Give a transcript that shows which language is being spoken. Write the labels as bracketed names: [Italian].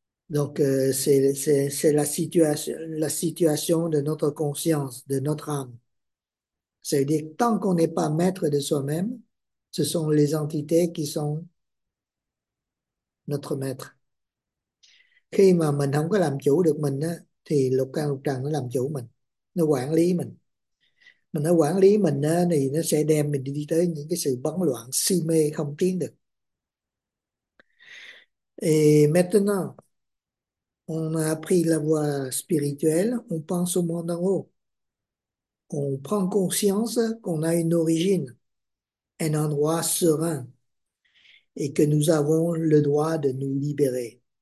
[French] Donc, c'est la situation de notre conscience, de notre âme. C'est-à-dire que tant qu'on n'est pas maître de soi-même, ce sont les entités qui sont notre maître. [Vietnamese] Khi mà mình không có làm chủ được mình á, thì lục căn lục trần nó làm chủ mình, nó quản lý mình. Mà nó quản lý mình á, thì nó sẽ đem mình đi tới những cái sự bấn loạn, si mê không tiến được. [French] Et maintenant, on a appris la voie spirituelle, on pense au monde en haut. On prend conscience qu'on a une origine, un endroit serein, et que nous avons le droit de nous libérer.